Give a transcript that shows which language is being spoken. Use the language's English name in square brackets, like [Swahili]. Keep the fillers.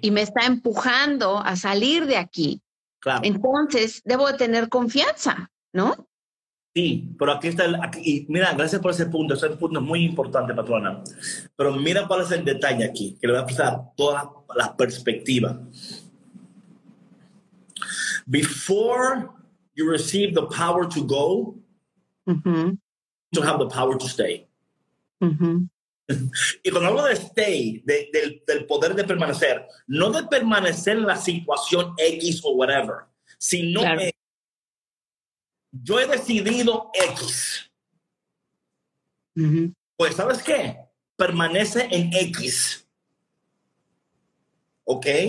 [Spanish] y me está empujando a salir de aquí. claro. Entonces, debo de tener confianza, ¿no? Sí, pero aquí está el. aquí- y mira, gracias por ese punto. Ese punto es muy importante, patrona. Pero mira cuál es el detalle aquí, que le voy a pasar todas las perspectivas. [English] Before you receive the power to go, Ujú, you have the power to stay. ujú. [Spanish] Y cuando hablo de stay, de- del, del poder de permanecer, no de permanecer en la situación X o whatever, sino Claro. que yo he decidido X. Ujú. Pues, ¿sabes qué? Permanece en X. ¿Ok?